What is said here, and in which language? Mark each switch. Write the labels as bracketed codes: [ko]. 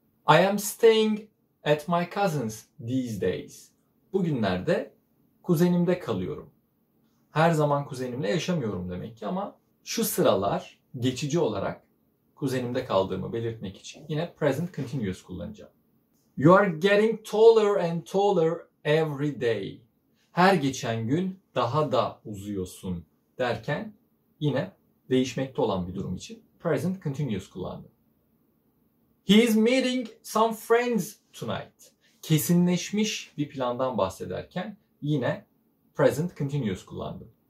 [en] I am staying at my cousin's these days. [tr] Bugünlerde kuzenimde kalıyorum. Her zaman kuzenimle yaşamıyorum demek ki ama şu sıralar geçici olarak kuzenimde kaldığımı belirtmek için yine present continuous kullanacağım. [en] You are getting taller and taller every day. [tr] Her geçen gün daha da uzuyorsun derken yine değişmekte olan bir durum için present continuous kullandım. [en] He is meeting some friends tonight. [tr] Kesinleşmiş bir plandan bahsederken yine present continuous kullandım.